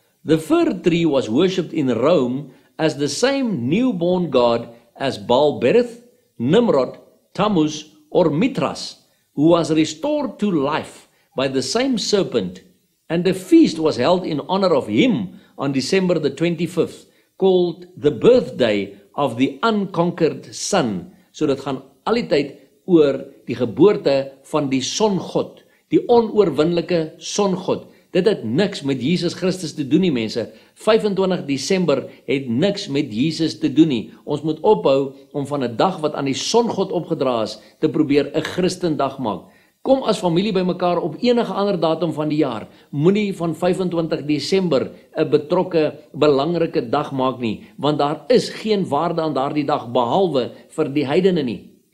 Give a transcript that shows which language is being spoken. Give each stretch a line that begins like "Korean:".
English: The fir tree was worshipped in Rome as the same newborn god as Baal Berith, Nimrod, Tammuz, or Mithras, who was restored to life by the same serpent, and a feast was held in honor of him on December the 25th, called the birthday of the unconquered sun."
Afrikaans: So dit gaan al die tyd oor die geboorte van die songod, die onoorwinnelike songod. Dit het niks met Jesus Christus te doen nie, mense. 25 Desember het niks met Jesus te doen nie. Ons moet ophou om van 'n dag wat aan die songod opgedra is, te probeer 'n Christendag maak. Kom as familie by mekaar op enige ander datum van die jaar. Moenie van 25 Desember 'n betrokke, belangrike dag maak nie, want daar is geen waarde aan daardie dag behalwe vir die heidene nie.